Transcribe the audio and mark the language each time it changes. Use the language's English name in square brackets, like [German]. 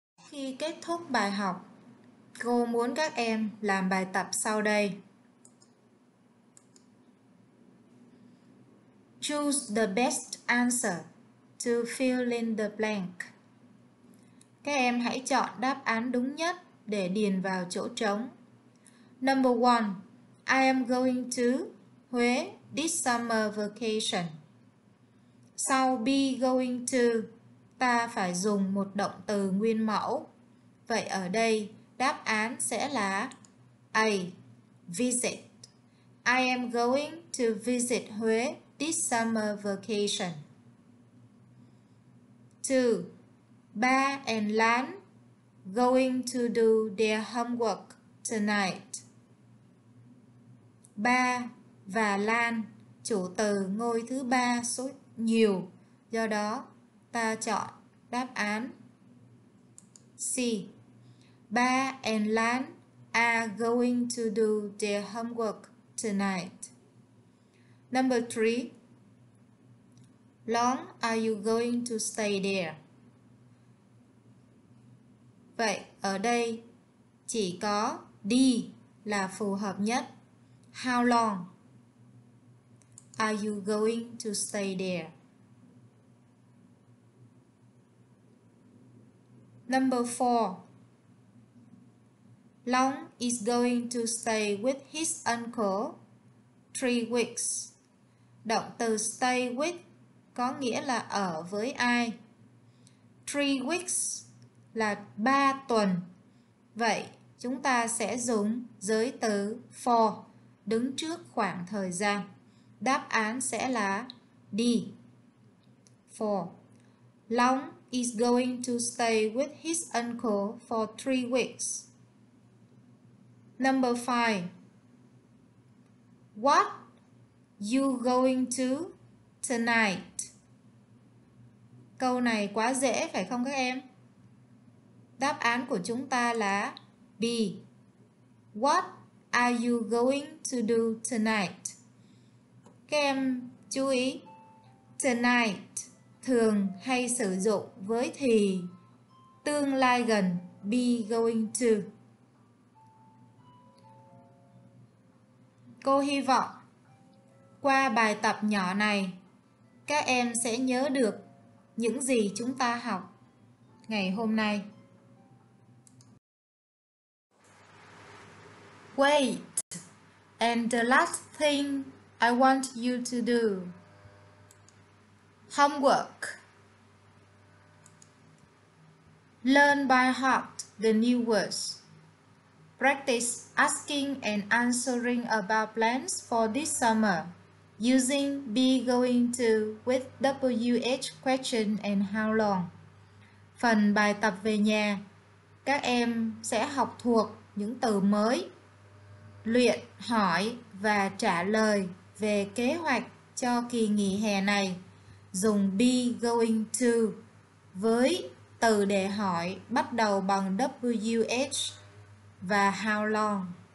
[Vietnamese] Khi kết thúc bài học, cô muốn các em làm bài tập sau đây. [English] Choose the best answer to fill in the blank. [Vietnamese] Các em hãy chọn đáp án đúng nhất để điền vào chỗ trống. [English] Number 1. I am going to Huế this summer vacation. [Vietnamese] Sau be going to, ta phải dùng một động từ nguyên mẫu. Vậy ở đây, đáp án sẽ là A. Visit. [English] I am going to visit Huế this summer vacation. 2. Ba and Lan going to do their homework tonight. [Vietnamese] Ba và Lan, chủ từ ngôi thứ ba số nhiều. Do đó, ta chọn đáp án C. [English] Ba and Lan are going to do their homework tonight. Number 3. Long are you going to stay there? [Vietnamese] Vậy ở đây chỉ có D là phù hợp nhất. [English] How long are you going to stay there? Number 4. Long is going to stay with his uncle 3 weeks. [Vietnamese] Động từ stay with có nghĩa là ở với ai. 3 weeks là 3 tuần. Vậy chúng ta sẽ dùng giới từ for đứng trước khoảng thời gian. Đáp án sẽ là D. For. [English] Long is going to stay with his uncle for 3 weeks. Number 5. What you going to tonight? [Vietnamese] Câu này quá dễ phải không các em? Đáp án của chúng ta là B. [English] What are you going to do tonight? [Vietnamese] Các em chú ý, tonight thường hay sử dụng với thì tương lai gần, be going to. Cô hy vọng qua bài tập nhỏ này, các em sẽ nhớ được những gì chúng ta học ngày hôm nay. [English] Wait, and the last thing I want you to do. Homework. Learn by heart the new words. Practice asking and answering about plans for this summer using be going to with WH question and how long. [Vietnamese] Phần bài tập về nhà, các em sẽ học thuộc những từ mới, luyện hỏi và trả lời về kế hoạch cho kỳ nghỉ hè này dùng be going to với từ để hỏi bắt đầu bằng WH và how long.